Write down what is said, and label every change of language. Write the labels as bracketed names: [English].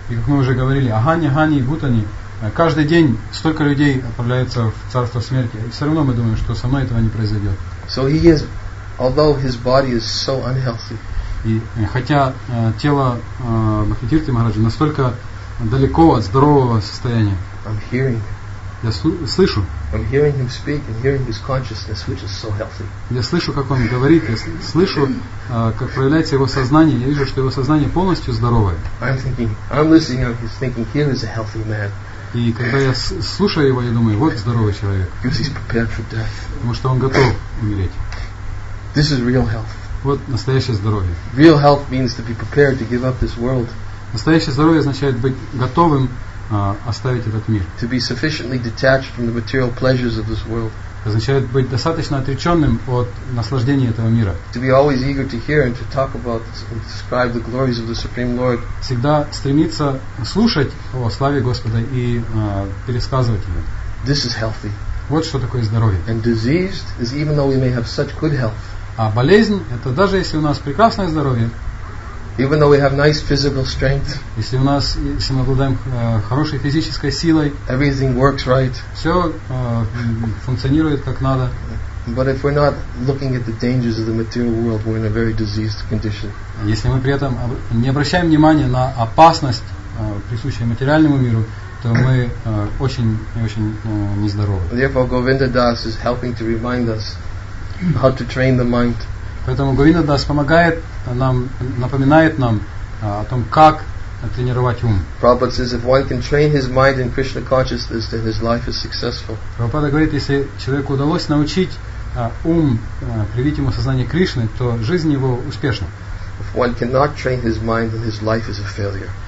[Russian] И как мы уже говорили, [Sanskrit] ahanya hani bhutani, [Russian] каждый день столько людей отправляются в царство смерти, и все равно мы думаем, что со мной этого не произойдет. [English] So he is, although his body is so unhealthy. [Russian] И хотя тело Бхактивидьянты Махараджа настолько далеко от здорового состояния, [English] I'm hearing. [Russian] Я слышу. [English] I'm hearing him speak and hearing his consciousness, which is so healthy. [Russian] Я слышу, как он говорит. Я слышу, как проявляется его сознание. Я вижу, что его сознание полностью здоровое. [English] I'm thinking, I'm listening. He's thinking, here is a healthy man. [Russian] И когда я слушаю его, я думаю, вот здоровый человек. Потому что он готов умереть. [English] This is real health. [Russian] Вот настоящее здоровье. [English] Real health means to be prepared to give up this world. [Russian] Настоящее здоровье означает быть готовым оставить этот мир. [English] To be sufficiently detached from the material pleasures of this world. [Russian] Означает быть достаточно отреченным от наслаждений этого мира. [English] To be always eager to hear and to talk about and describe the glories of the Supreme Lord. [Russian] Всегда стремиться слушать о славе Господа и пересказывать ее. [English] This is healthy. [Russian] Вот что такое здоровье. [English] And diseased is even though we may have such good health. [Russian] А болезнь – это даже если у нас прекрасное здоровье. [English] Even though we have nice physical strength. [Russian] Если у нас, если мы обладаем хорошей физической силой. [English] Everything works right. [Russian] Все функционирует как надо. [English] But if we're not looking at the dangers of the material world, we're in a very diseased condition. [Russian] Если мы при этом не обращаем внимания на опасность, присущую материальному миру, то мы очень нездоровы. [English] Therefore, Govinda Das is helping to remind us how to train the mind. [Russian] Поэтому Говинда Дас помогает нам, напоминает нам о том, как тренировать ум. [English] Prabhupada says, if one can train his mind in Krishna consciousness, then his life is successful. [Russian] Prabhupada говорит, если человеку удалось научить ум, привить ему сознание Кришны, то жизнь его успешна. [English] If one cannot train his mind, then his life is a failure.